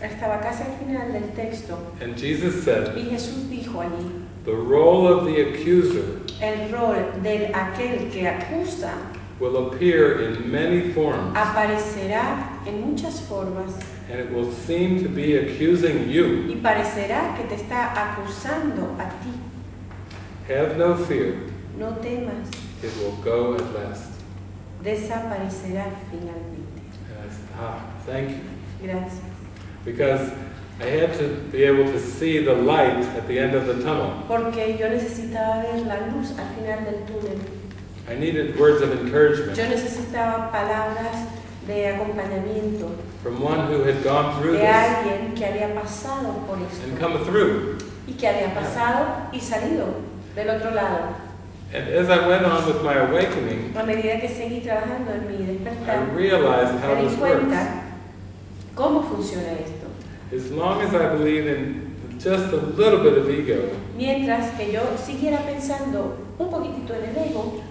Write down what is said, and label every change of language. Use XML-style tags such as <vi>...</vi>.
<es>Estaba casi al final del texto.</es> <en>And Jesus said.</en> <es>Y Jesús dijo allí.</es> <en>The role of the accuser,</en> <es>el rol del aquel que acusa,</es> <en>will appear in many forms,</en> <es>aparecerá en muchas formas,</es> <en>and it will seem to be accusing you,</en> <es>y parecerá que te está acusando a ti.</es> <en>Have no fear,</en> <es>no temas,</es> <en>it will go at last,</en> <es>desaparecerá finalmente.</es> <en>Yes. Thank you.</en> <es>Gracias.</es> <en>Because I had to be able to see the light at the end of the tunnel.</en> <es>Porque yo necesitaba ver la luz al final del túnel.</es> <en>I needed words of encouragement.</en> <es>Yo necesitaba palabras de acompañamiento.</es> <en>From one who had gone through</en> <es>de</es> <en>this.</en> <es>De alguien que había pasado por esto.</es> <en>And come through.</en> <es>Y que había pasado y salido del otro lado.</es> <en>And as I went on with my awakening,</en> <es>a medida que seguí trabajando en mi despertar,</es> <en>I realized how this</en> <es>cuenta</es> <en>works.</en> <es>Cómo funciona esto.</es> <en>As long as I believe in just a little bit of ego,</en> <es>mientras que yo siguiera pensando un poquitito en el ego,</es>